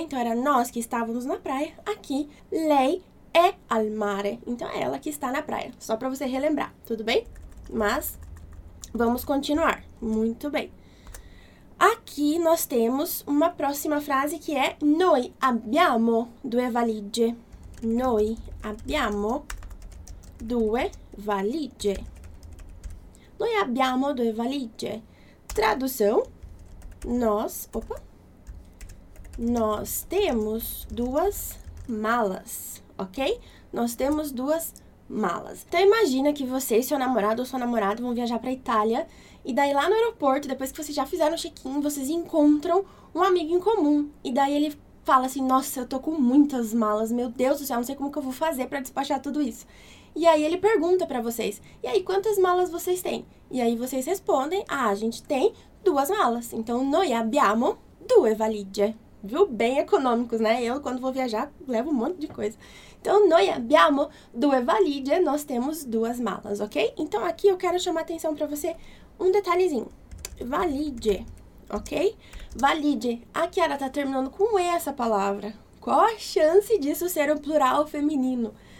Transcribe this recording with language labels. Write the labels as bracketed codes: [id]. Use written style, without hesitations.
[pt] Então, era nós que estávamos na praia. Aqui, lei é al mare. Então, é ela que está na praia. Só para você relembrar, tudo bem? Mas vamos continuar. Muito bem. Aqui nós temos uma próxima frase que é [it] noi abbiamo due valigie. Noi abbiamo due valigie. Noi abbiamo due valigie. [pt] Tradução: nós, opa. Nós temos duas malas, ok? Nós temos duas malas. Então imagina que você e seu namorado ou sua namorada vão viajar para Itália. E daí lá no aeroporto, depois que vocês já fizeram o check-in, vocês encontram um amigo em comum. E daí ele fala assim: "Nossa, eu tô com muitas malas. Meu Deus do céu, não sei como que eu vou fazer para despachar tudo isso." E aí ele pergunta para vocês: "E aí, quantas malas vocês têm?" E aí vocês respondem: "Ah, a gente tem duas malas." Então, [it] noi abbiamo due valigie. [pt] Viu? Bem econômicos, né? Eu, quando vou viajar, levo um monte de coisa. Então, [it] noi abbiamo due valigie, [pt] nós temos duas malas, ok? Então, aqui eu quero chamar a atenção para você um detalhezinho. Valide, ok? Valide. A Chiara tá terminando com E essa palavra. Qual a chance disso ser um plural feminino?